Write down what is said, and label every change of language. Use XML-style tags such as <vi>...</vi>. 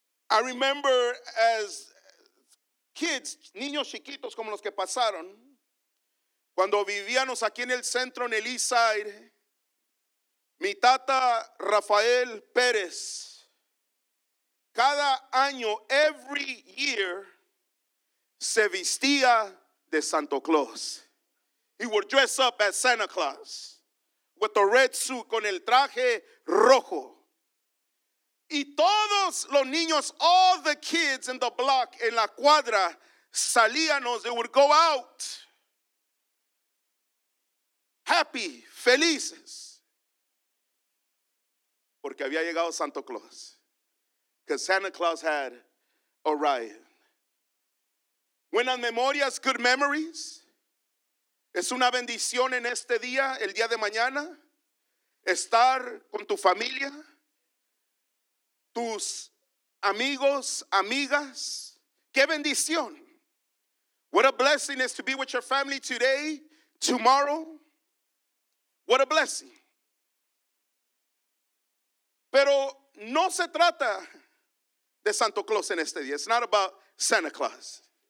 <en>I remember as kids,</en> <es>niños chiquitos como los que pasaron, cuando vivíamos aquí en el centro, en el East Side, mi tata Rafael Pérez, cada año,</es> <en>every year,</en> <es>se vestía de Santo Claus.</es> <en>He would dress up as Santa Claus with the red suit,</en> <es>con el traje rojo. Y todos los niños,</es> <en>all the kids in the block,</en> <es>en la cuadra, salíanos,</es> <en>they would go out happy,</en> <es>felices, porque había llegado Santo Claus.</es> <en>Because Santa Claus had arrived.</en> <es>Buenas memorias,</es> <en>good memories.</en> <es>Es una bendición en este día, el día de mañana, estar con tu familia, tus amigos, amigas. ¡Qué bendición!</es> <en>What a blessing is to be with your family today, tomorrow. What a blessing.</en> <es>Pero no se trata de Santo Claus en este día.</es> <en>It's not about Santa Claus.</en>